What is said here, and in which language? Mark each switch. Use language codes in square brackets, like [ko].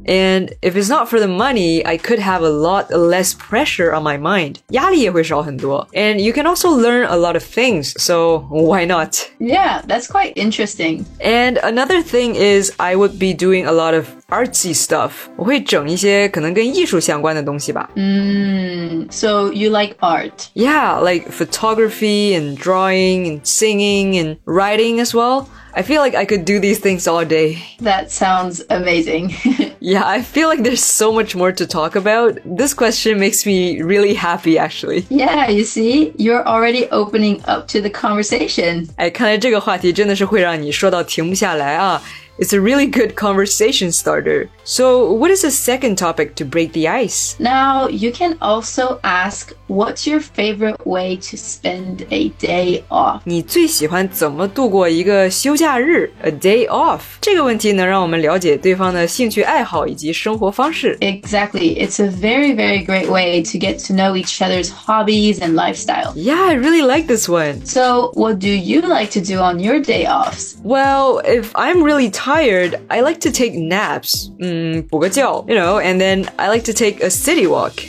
[en] And if it's not for the money, I could have a lot less pressure on my mind. [zh] 压力也会少 [en] And you can also learn a lot of things, so why not? Yeah, that's quite interesting. And another thing is I would be doing a lot ofartsy stuff. [zh] 我会整一些可能跟艺术相关的东西吧。 [en] So you like art? Yeah, like photography and drawing and singing and writing as well. I feel like I could do these things all day. That sounds amazing. Yeah, I feel like there's so much more to talk about. This question makes me really happy, actually. Yeah, you see, you're already opening up to the conversation. [zh] 哎，看来这个话题真的是会让你说到停不下来啊。 [en] It's a really good conversation starter. So, what is the second topic to break the ice? Now, you can also ask, what's your favorite way to spend a day off? [zh] 你最喜欢怎么度过一个休假日 ? [en] A day off? [zh] 这个问题能让我们了解对方的兴趣爱好以及生活方式。 [en] Exactly. It's a very, very great way to get to know each other's hobbies and lifestyle. Yeah, I really like this one. So, what do you like to do on your day offs? Well, if I'm really tired, I like to take naps, [zh] 补个觉, [en] you know, and then I like to take a city walk.